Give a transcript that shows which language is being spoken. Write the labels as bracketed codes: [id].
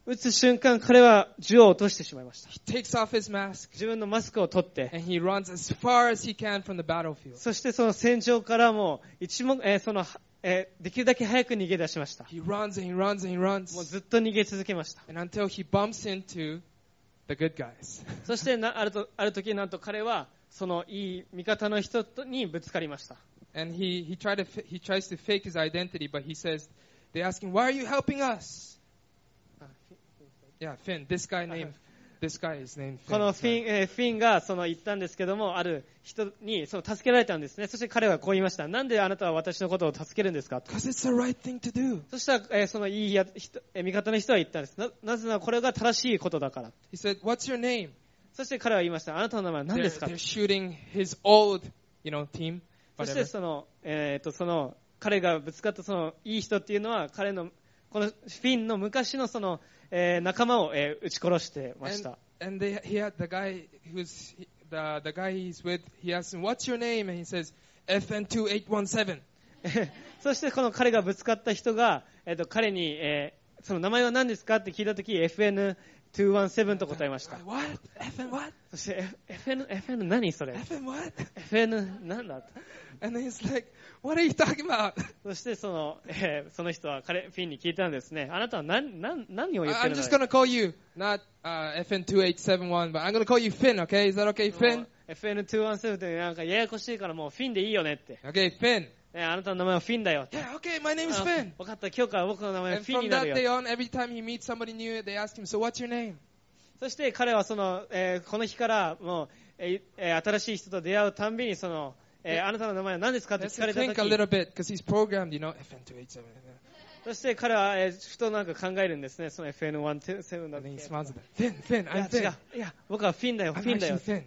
[ja] 撃つ瞬間彼は銃を落としてしまいました。 [en] He takes off his mask, [ja] 自分のマスクを取って [en] and he runs as far as he can from the battlefield. [ja] そしてその戦場からも一目、できるだけ早く逃げ出しました。 [en] He runs and he runs and he runs. [ja] もうずっと逃げ続けました。 [en] And until he bumps intoThe good guys. [ja] そしてある時なんと彼はそのいい味方の人にぶつかりました。 [en] And he tries to fake his identity, but he says, they ask him, "Why are you helping us?" Yeah, Finn. This guy named this guy is named Finn. [ja] このフィンがその言ったんですけども、ある人にその助けられたんですね。そして彼はこう言いました。なんであなたは私のことを助けるんですか。 [en] Because it's the right thing to do. [ja] そしたらそのいい味方の人は言ったんです。なぜならこれが正しいことだから。 [en] He said, "What's your name?" [ja] そして彼は言いました。あなたの名前は何ですか。 [en] They're shooting his old, you know, team. [ja] そしてその彼がぶつかったそのいい人っていうのは彼のこのフィンの昔のその仲間を撃ち殺してました。 [en] And he had the guy who's the guy he's with. He asked him, "What's your name?" And he says, "FN2817." [ja] そしてこの彼がぶつかった人が彼にその名前は何ですかって聞いたとき、FN217 と答えました。 [en] What? FN what? [ja] そして FN 何それ [en] ？FN what? [ja] FN 何だと。 [en] And he's like, "What are you talking about?" [ja] そしてその人は彼フィンに聞いたんですね。あなたは何を言ってるの [en] ？I'm just gonna call you not FN2871, but I'm gonna call you Finn. Okay? Is that okay, Finn? [ja] FN217 ってなんかややこしいからもうフィンでいいよねって。 [en] Okay, Finn. [ja] あなたの名前はフィンだよ。 [en] Yeah, okay, my name is Finn. [ja] 分かった。今日から僕の名前はフィンになるよ。 [en] And from that day on, every time he meets somebody new, they ask him, "So what's your name?" [ja] そして彼はその、この日からもう、新しい人と出会うたんびにそのあなたの名前は何ですかって聞かれた時 [en] think a bit, he's you know, FN2H7. [ja] そして彼はふとなんか考えるんですね、その FN17 だっけ。 [en] Finn, Finn, Finn. [ja] いや違う、いや僕はフィンだよ、フィンだよ。